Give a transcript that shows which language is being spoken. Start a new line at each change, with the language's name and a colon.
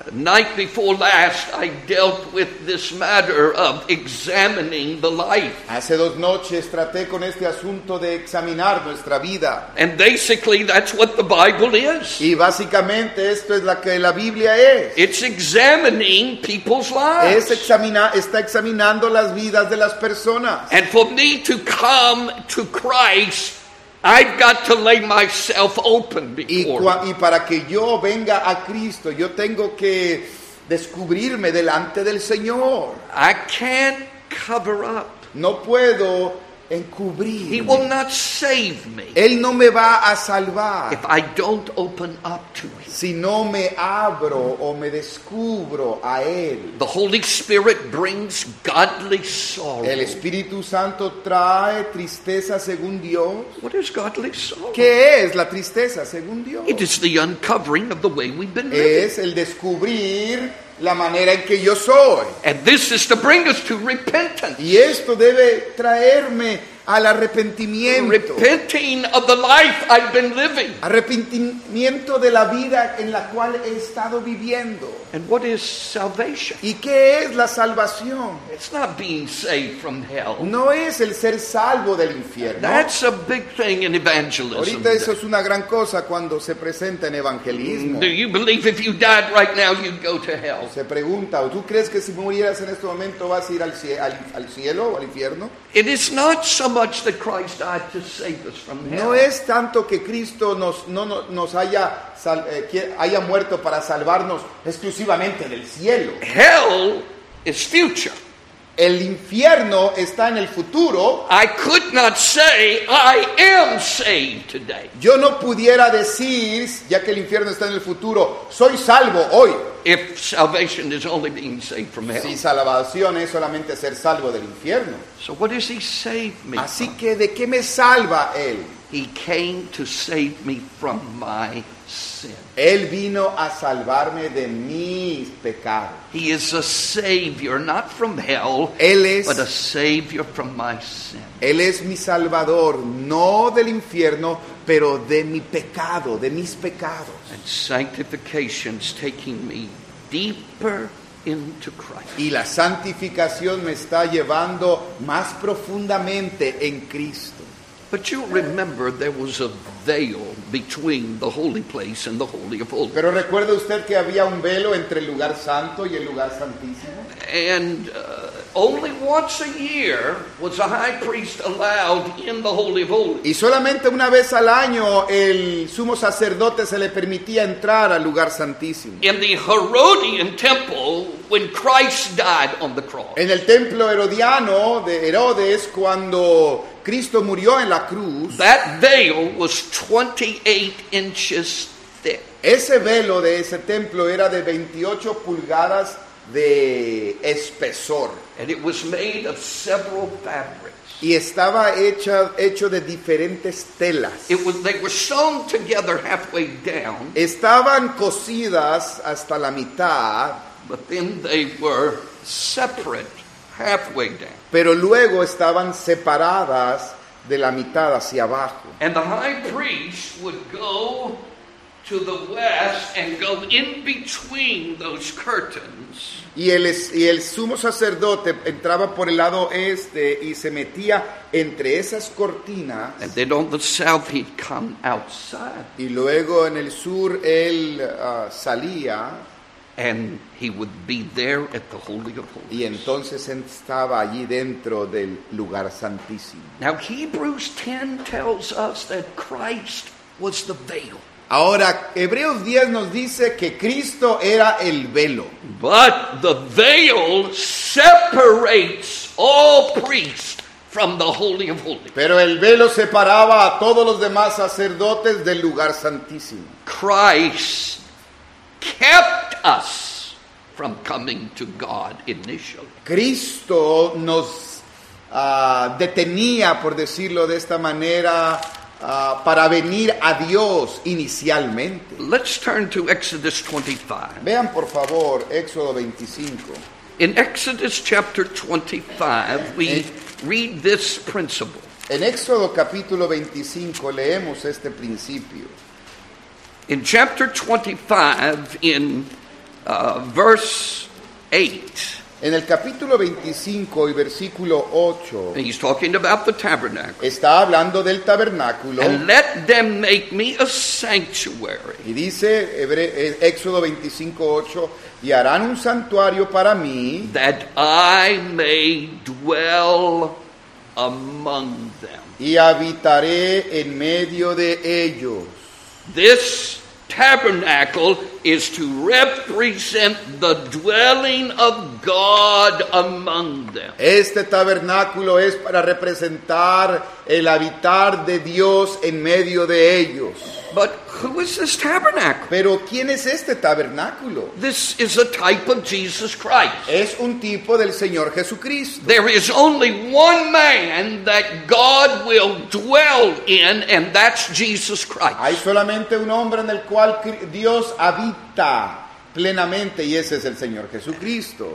English: Night before last, I dealt with this matter of examining the life.
Spanish: Hace dos noches traté con este asunto de examinar nuestra vida.
English: And basically, that's what the Bible is.
Spanish: Y básicamente esto es lo que la Biblia es.
English: It's examining people's lives.
Spanish: Está examinando las vidas de las personas.
English: And for me to come to Christ, I've got to lay myself open before.
Spanish: Y para que yo venga a Cristo, yo tengo que descubrirme delante del Señor.
English: I can't cover up.
Spanish: No puedo encubrir.
English: He will not save me.
Spanish: Él no me va a salvar.
English: If I don't open up to him.
Spanish: Si no me abro o me descubro a él.
English: The Holy Spirit brings godly sorrow.
Spanish: El Espíritu Santo trae tristeza según Dios.
English: What is godly sorrow?
Spanish: ¿Qué es la tristeza según Dios?
English: It is the uncovering of the way we've been living.
Spanish: Es el descubrir la manera en que yo soy.
English: And this is to bring us to repentance.
Spanish: Y esto debe traerme al arrepentimiento.
English: Repenting of the life I've been living.
Spanish: Arrepentimiento de la vida en la cual he estado viviendo.
English: And what is salvation?
Spanish: ¿Y qué es la salvación?
English: It's not being saved from hell.
Spanish: No es el ser salvo del infierno.
English: That's a big thing in evangelism.
Spanish: Ahorita eso es una gran cosa cuando se presenta en evangelismo.
English: Do you believe if you died right now you'd go to hell?
Spanish: Se pregunta, ¿tú crees que si murieras en este momento vas a ir al cielo o al infierno?
English: It is not so much that Christ died to save us from hell.
Spanish: No es tanto que Cristo nos haya muerto para salvarnos exclusivamente del cielo.
English: Hell is future.
Spanish: El infierno está en el futuro.
English: I could not say I am saved today.
Spanish: Yo no pudiera decir, ya que el infierno está en el futuro, soy salvo hoy.
English: If salvation is only being saved from hell.
Spanish: Si salvación es solamente ser salvo del infierno.
English: So what does he save me?
Spanish: Así
English: from?
Spanish: Que ¿de qué me salva él?
English: He came to save me from my sin.
Spanish: Él vino a salvarme de mis pecados.
English: He is a savior, not from hell,
Spanish: él es,
English: but a savior from my sin.
Spanish: Él es mi salvador, no del infierno, pero de mi pecado, de mis pecados.
English: And sanctification is taking me deeper into Christ.
Spanish: Y la santificación me está llevando más profundamente en Cristo.
English: But you remember there was a veil between the holy place and the holy of holies.
Spanish: Pero recuerda usted que había un velo entre el lugar santo y el lugar santísimo.
English: And only once a year was a high priest allowed in the holy of holies.
Spanish: Y solamente una vez al año el sumo sacerdote se le permitía entrar al lugar santísimo.
English: In the Herodian temple, when Christ died on the cross.
Spanish: En el templo herodiano de Herodes cuando Cristo murió en la cruz.
English: That veil was 28 inches thick.
Spanish: Ese velo de ese templo era de 28 pulgadas de espesor.
English: And it was made of several fabrics.
Spanish: Y estaba hecho de diferentes telas.
English: It was, they were sewn together halfway down.
Spanish: Estaban cosidas hasta la mitad.
English: But then they were separate halfway down.
Spanish: Pero luego estaban separadas de la mitad hacia abajo.
English: And the high priest would go to the west and go in between those curtains.
Spanish: Y el sumo sacerdote entraba por el lado este y se metía entre esas cortinas.
English: And then on the south he'd come outside.
Spanish: Y luego en el sur él salía.
English: And he would be there at the Holy of Holies.
Spanish: Y entonces estaba allí dentro del lugar santísimo.
English: Now Hebrews 10 tells us that Christ was the veil.
Spanish: Ahora, Hebreos 10 nos dice que Cristo era el velo.
English: But the veil separates all priests from the Holy of Holies.
Spanish: Pero el velo separaba a todos los demás sacerdotes del lugar santísimo.
English: Christ kept us from coming to God initially.
Spanish: Cristo nos detenía, por decirlo de esta manera, para venir a Dios inicialmente.
English: Let's turn to Exodus 25.
Spanish: Vean por favor Éxodo 25.
English: In Exodus chapter 25, read this principle.
Spanish: En Éxodo capítulo 25 leemos este principio.
English: In chapter 25, in verse 8.
Spanish: En el capítulo 25 y versículo 8.
English: He's talking about the tabernacle.
Spanish: Está hablando del tabernáculo.
English: And let them make me a sanctuary.
Spanish: Y dice Éxodo 25, 8. Y harán un santuario para mí.
English: That I may dwell among them.
Spanish: Y habitaré en medio de ellos.
English: This tabernacle is to represent the dwelling of God among them.
Spanish: Este tabernáculo es para representar el habitar de Dios en medio de ellos.
English: But who is this tabernacle?
Spanish: Pero ¿quién es este tabernáculo?
English: This is a type of Jesus Christ.
Spanish: Es un tipo del Señor Jesucristo.
English: There is only one man that God will dwell in, and that's Jesus Christ.
Spanish: Hay solamente un hombre en el cual Dios habita plenamente, y ese es el Señor Jesucristo.